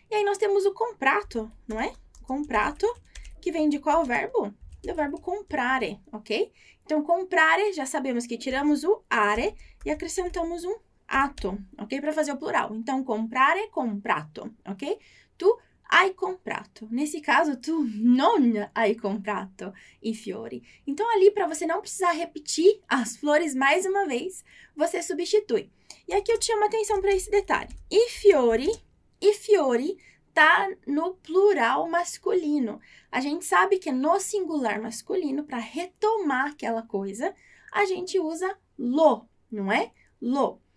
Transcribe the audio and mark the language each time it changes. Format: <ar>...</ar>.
<pt>E aí, nós temos o comprato, não é? Comprato, que vem de qual verbo? Do verbo comprare, ok? Então, comprare, já sabemos que tiramos o are e acrescentamos um ato, ok? Para fazer o plural. Então, comprare, comprato, ok?</pt> <it>Tu, hai comprato.</it> <pt>Nesse caso,</pt> <it>tu non hai comprato i fiori.</it> <pt>Então, ali, para você não precisar repetir as flores mais uma vez, você substitui. E aqui eu te chamo a atenção para esse detalhe. I fiori tá no plural masculino. A gente sabe que no singular masculino, para retomar aquela coisa, a gente usa lo, não é? Lo.</pt>